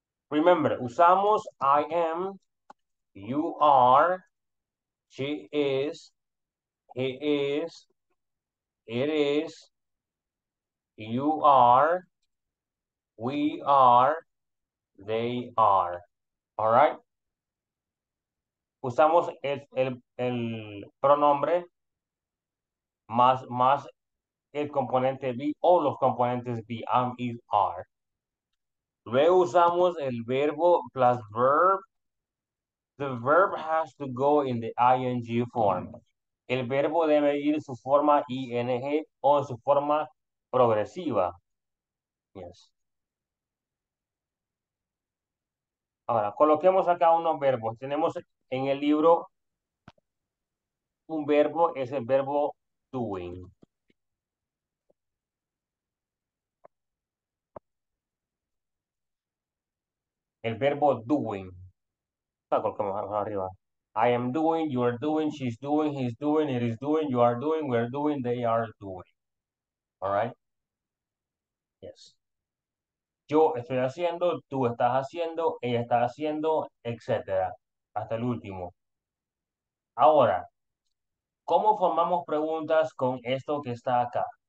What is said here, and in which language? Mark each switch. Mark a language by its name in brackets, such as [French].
[English] Remember, [Spanish] usamos [English] I am, you are, she is, he is, it is, you are, we are, they are. All right? [Spanish] Usamos el pronombre más el componente be o los componentes be, am, is, are. Luego usamos el verbo plus verb. [English] The verb has to go in the ing form. [Spanish] El verbo debe ir en su forma ing o en su forma progresiva. [English] Yes. [Spanish] Ahora, coloquemos acá unos verbos. Tenemos en el libro un verbo, es el verbo doing. El verbo doing. Colocamos arriba. [English] I am doing, you are doing, she's doing, he's doing, it is doing, you are doing, we are doing, they are doing. All right? Yes. [Spanish] Yo estoy haciendo, tú estás haciendo, ella está haciendo, etc. Hasta el último. Ahora, ¿cómo formamos preguntas con esto que está acá?